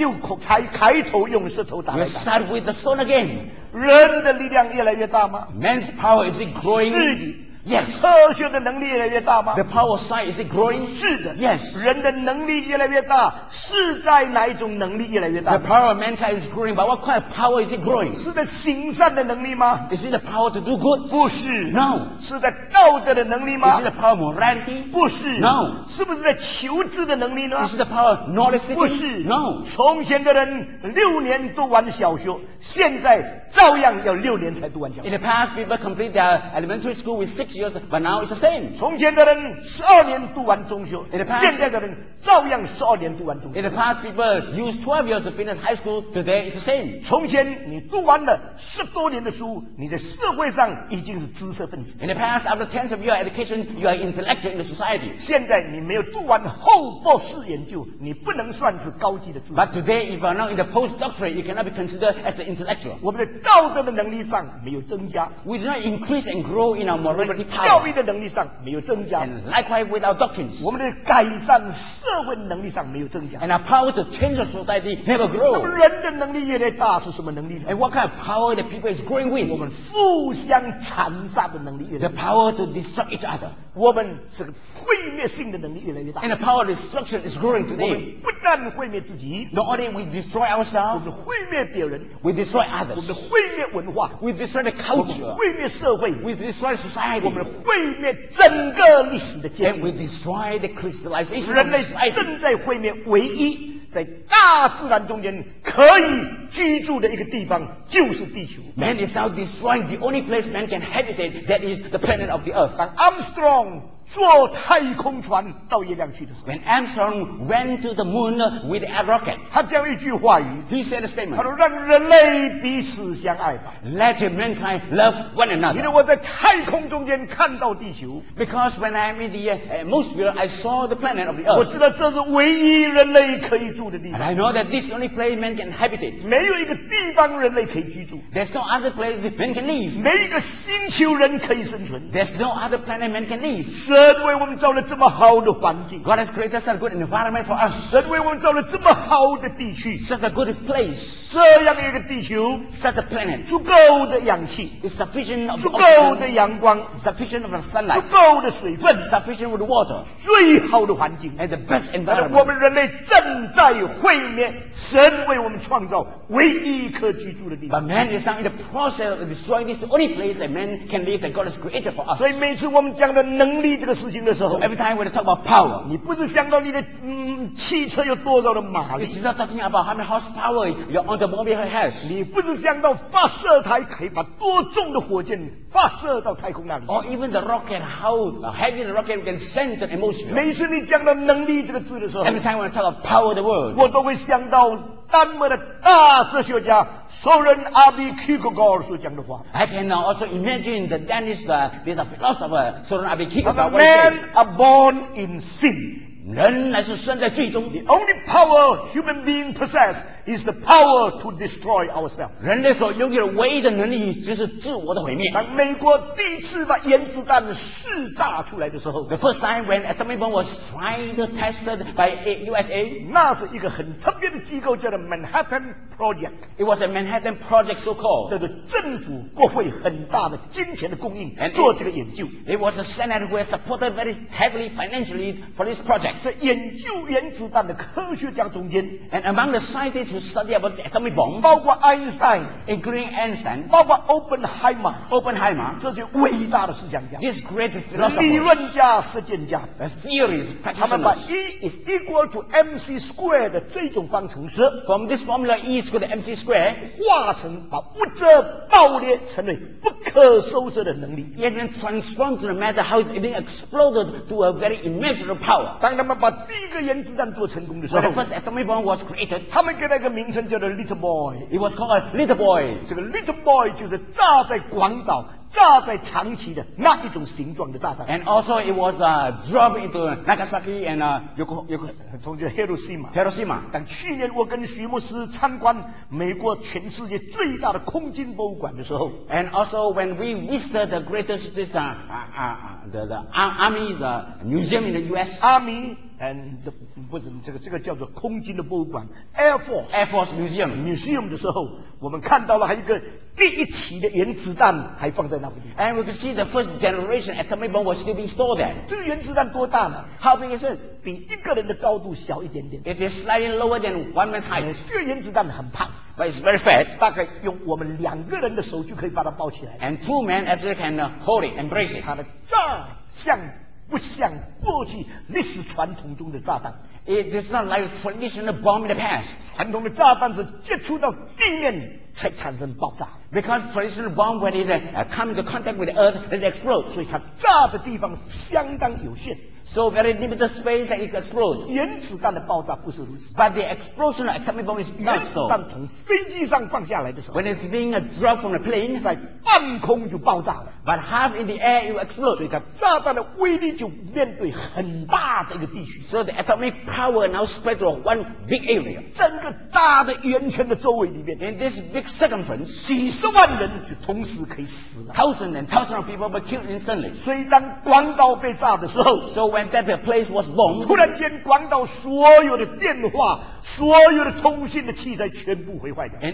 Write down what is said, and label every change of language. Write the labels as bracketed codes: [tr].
[zh] 又才开头用石头打来打 [en] ，We start with the stone again。 [zh] 人的力量越来越大吗 [en] ？Man's power is it growing？ [zh] 是的。 [en] Yes. [zh] 科学的能力越来越大吗 [en] ？The power of science is it growing. [zh] 是的。 [en] Yes. [zh] 人的能力越来越大，是在哪一种能力越来越大 [en] ？The power of mankind is growing, but what kind of power is it growing? [zh] 是在行善的能力吗 [en] ？Is it the power to do good? [zh] 不是。 [en] No. [zh] 是在道德的能力吗 [en] ？Is it the power of morality? [zh] 不是。 [en] No. [zh] 是不是在求知的能力呢 [en] ？Is it the power of knowledge? [zh] 不是。 [en] No. [zh] 从前的人六年读完小学，现在照样要六年才读完小学。 [en] In the past, people complete their elementary school with six. But now it's the same. [zh] 从前的人十二年读完中学 [en] past, [zh] 现在的人照样十二年读完中学 [en] In the past people used 12 years to finish high school Today it's the same. [zh] 从前你读完了十多年的书你在社会上已经是知识分子 [en] In the past after 10 of your education You are intellectual in the society [zh] 现在你没有读完后博士研究你不能算是高级的知识 [en] But today if you are not in the post-doctorate You cannot be considered as an intellectual [zh] 我们的道德的能力上没有增加 [en] We do not increase and grow in our morality [zh] 教义的能力上没有增加。 [en] And likewise with our doctrines. [zh] 我们的改善社会能力上没有增加。 [en] And our power to change the society never grow. [zh] 人的能力越来越大是什么能力呢？ [en] And what kind of power the people is growing with? [zh] 我们互相残杀的能力越来越大。 [en] The power to destroy each other. [zh] 我们是毁灭性的能力越来越大。 [en] And the power of destruction is growing today. [zh] 我们不但毁灭自己。 [en] Not only we destroy ourselves. [zh] 我们毁灭别人。 [en] We destroy others. [zh] 我们毁灭文化。 [en] We destroy the culture. [zh] 毁灭社会。 [en] We destroy society. [zh] 我们毁灭整个历史的阶级。 [en] And we destroy the crystallization. [zh] 人类正在毁灭唯一在大自然中间可以居住的一个地方，就是地球。 [en] Man is now destroying the only place man can habitate, that is the planet of the earth. When [zh] Armstrong 坐太空船到月亮去的时候 [en] ，When Armstrong went to the moon with a rocket， [zh] 他讲一句话语 [en] ，He said a statement， [zh] 他说让人类彼此相爱吧 [en] ，Let mankind love one another。 [zh] 因为我在太空中间看到地球 [en] ，Because when I'm in the atmosphere, I saw the planet of the earth。 [zh] 我知道这是唯一人类可以住的地方 [en] ，And I know that this is the only place man can habitate。 [zh] 没有一个地方人类可以居住 [en] ，There's no other place man can live。 [zh] 没一个星球人可以生存 [en] ，There's no other planet man can live。 [zh] 神为我们造了这么好的环境 [en] ，God has created such a good environment for us。 [zh] 神为我们造了这么好的地区 [en] ，such a good place。 [zh] 这样一个地球 [en] ，such a planet， [zh] 足够的氧气 [en] ，is sufficient of [zh] 足够的阳光 [en] ，sufficient of sunlight， [zh] 足够的水分 [en] ，sufficient of water， [zh] 最好的环境 [en] ，and the best environment。 [zh] 我们人类正在毁灭神为我们创造唯一可居住的地方 [en] ，but man is now in the process of destroying this only place that man can live that God has created for us。 [zh] 所以每次我们讲的能力这个事情的时候 [en] ，so every time when we talk about power， [zh] 你不是想到你的汽车有多少的马力 [en] ，it's not talking about how many horsepower you're on。 [zh] 你不是想到发射台可以把多重的火箭发射到太空那里 [en] ？Or even the rocket, how heavy the rocket can send to the atmosphere? [zh] 每次你讲到能力这个字的时候 [en] ，Every time when I talk about power of the world, [zh] 我都会想到丹麦的大哲学家首人阿比库格高尔所讲的话。 [en] I can also imagine the Danish, this philosopher, 首人阿比库格高尔。 The man are born in sin. [zh] 人乃是生在罪中。 [en] The only power human being possess is the power to destroy ourselves. [zh] 人类所拥有的唯一的能力就是自我的毁灭。当美国第一次把原子弹试炸出来的时候 [en] ，The first time when atomic bomb was tried tested by USA， [zh] 那是一个很特别的机构，叫做 Manhattan Project。 [en] It was a Manhattan Project so called。 [zh] 那个政府国会很大的金钱的供应 [en] and [zh] 做这个研究。 [en] It was a Senate who supported very heavily financially for this project. [zh] 在研究原子弹的科学家中间 [en] ，and among the scientists who study about the atomic bomb， [zh] 包括爱因斯坦 [en] ，including Einstein， [zh] 包括 Oppenheimer，这些伟大的思想家 [en] ，these great philosophers， [zh] 理论家、实践家 [en] ，the theorists， [zh] 他们把 [en] E is equal to mc squared [zh] 的这种方程式 [en] ，from this formula E is equal to mc squared， [zh] 化成把物质爆裂成为不可收拾的能力 [en] ，yet then transform to the matter how it's being exploded to a very immeasurable power。 [zh] 当他们把第一个原子弹做成功的时候 [en] ，the first atomic bomb was created， [zh] 他们给了一个名称叫做 Little Boy。 [en] It was called a Little Boy。 [zh] 这个 Little Boy 就是炸在广岛、炸在长崎的那一种形状的炸弹。 [en] And also it was dropped into Nagasaki and Yokohama， [zh] 同就 Hiroshima。 [en] Hiroshima。 [zh] 当去年我跟徐牧师参观美国全世界最大的空军博物馆的时候 [en] ，and also when we visited the greatest this the army the museum in the U.S. Army。 And the, [zh] 不是这个叫做空军的博物馆 [en] Air Force Museum [zh] Museum 的时候，我们看到了还有一个第一期的原子弹还放在那边。 [en] And we could see the first generation atomic bomb was still being stored there. [zh] 这个原子弹多大呢 [en] ？How big is it? [zh] 比一个人的高度小一点点。 [en] It is slightly lower than one man's height. [zh] 这个原子弹很胖。 [en] But it's very fat. [zh] 大概用我们两个人的手就可以把它抱起来。 [en] And two men actually can hold it and embrace it. [zh] 它的炸像。不像过去历史传统中的炸弹 [en] It is not like a traditional bomb in the past [zh] 传统的炸弹是接触到地面才产生爆炸 [en] Because traditional bomb when it comes into contact with the earth it explodes [zh] 所以它炸的地方相当有限 [en] so very limited space that it explodes. [zh] 原子弹的爆炸不是如此。 [en] But the explosion of atomic bomb is not so. [zh] 原子弹从飞机上放下来的时候 [en] ，when it's being dropped from the plane， [zh] 在半空就爆炸了。 [en] But half in the air it will explode。 [zh] 所以它炸弹的威力就面对很大的一个地区。 [en] So the atomic power now spread to one big area。 [zh] 整个大的圆圈的周围里面 [en] ，in this big circumference， [zh] 几十万人就同时可以死了。 [en] Thousands and thousands of people were killed instantly。 [zh] 所以当广岛被炸的时候 [en] ，so when that place was bombed， [zh] 突然间广岛所有的电话、所有的通信的器材全部毁坏掉。